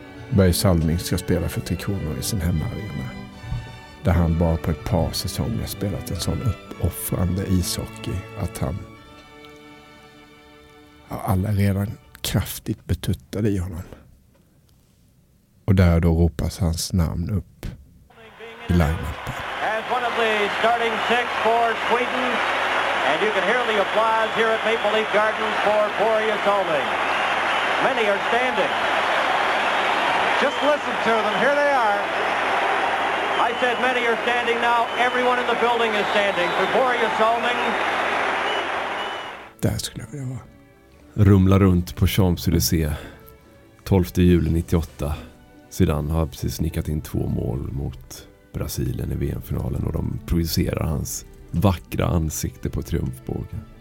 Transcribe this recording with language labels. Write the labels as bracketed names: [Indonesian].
[Swedish] Börje Salming ska spela för Tre Kronor i sin hemmaarena. Där han bara på ett par säsonger spelat en sån uppoffrande ishockey att han... Alla redan kraftigt betuttade i honom. Och där då ropas hans namn upp i line-upen. [English] As one of the starting six for Sweden, and you can hear the applause here at Maple Leaf Garden for Börje Salming. Many are standing. Just listen to them. Here they are. I said many are standing now. Everyone in the building is standing for Börje Salming. [Swedish] Där skulle jag vilja vara. Rumla runt på Champs-Élysées 12 juli 98. Sedan har precis snickat in 2 mål mot Brasilien i VM-finalen och de projicerar hans vackra ansikte på triumfbågen.